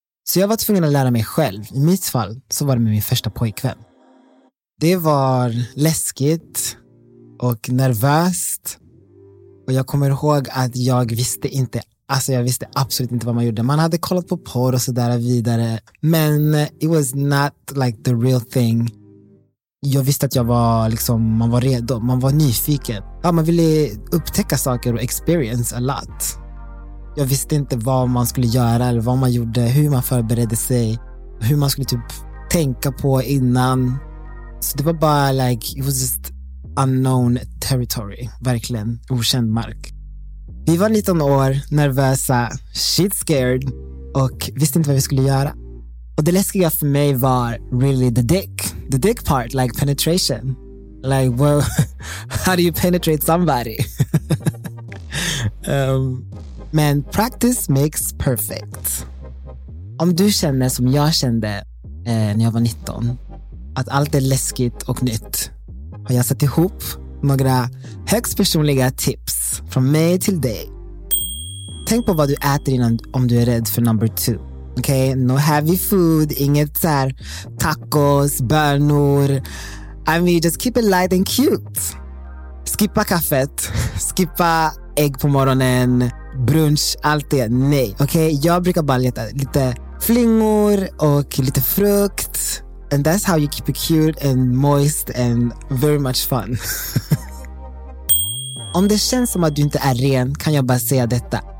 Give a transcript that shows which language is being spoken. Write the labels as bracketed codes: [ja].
[sv] Så jag var tvungen att lära mig själv. I mitt fall så var det med min första pojkvän. Det var läskigt och nervöst. Och jag kommer ihåg att jag visste inte, alltså jag visste absolut inte vad man gjorde. Man hade kollat på porr och sådär vidare. [en] Men it was not like the real thing. [sv] Jag visste att jag var liksom, man var redo, man var nyfiken. Ja, man ville upptäcka saker och [en] experience a lot. [sv] Jag visste inte vad man skulle göra eller vad man gjorde, hur man förberedde sig. Hur man skulle typ tänka på innan. Så det var bara [en] like, it was just unknown territory, [sv] verkligen okänd mark. Vi var 19 år, nervösa, [en] shit scared [sv] och visste inte vad vi skulle göra. Och det läskiga för mig var [en] really the dick part, like penetration. Like, well, how do you penetrate somebody? Men practice makes perfect. [sv] Om du känner som jag kände när jag var 19, att allt är läskigt och nytt, har jag satt ihop några högst personliga tips från mig till dig. Tänk på vad du äter innan, om du är rädd för [en] number two. [sv] Okej, [en] no heavy food, [sv] inget så här tacos, bönor. [en] I mean, just keep it light and cute. [sv] Skippa kaffet, skippa ägg på morgonen, brunch, allt det. Nej, okej, jag brukar bara leta lite flingor och lite frukt. [en] And that's how you keep it cute and moist and very much fun. [sv] Om det känns som att du inte är ren, kan jag bara säga detta.